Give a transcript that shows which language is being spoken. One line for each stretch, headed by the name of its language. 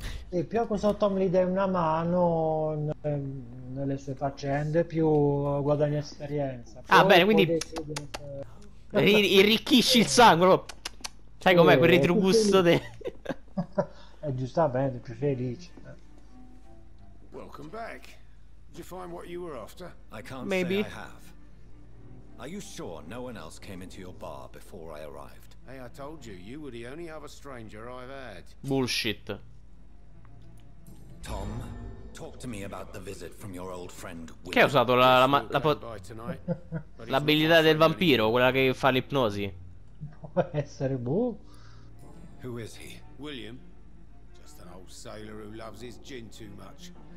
Italian: E più a questo Tom gli dai una mano nelle sue faccende, più guadagna esperienza. Ah, bene, quindi irricchisci il sangue. Sai com'è quel retrogusto? È giustamente più felice.
English: Welcome back. Did you find what you were after? I can't say I have. Are you sure no one else came into your bar before I arrived? Hey, I told you, you were the only other stranger I've had. Bullshit. Tom, talk to me about the visit from your old friend Will.
Italian: Che ha usato l'abilità del vampiro, quella che fa l'ipnosi. Può essere boh.
English: Who is he? William? Just an old sailor who loves his gin too much.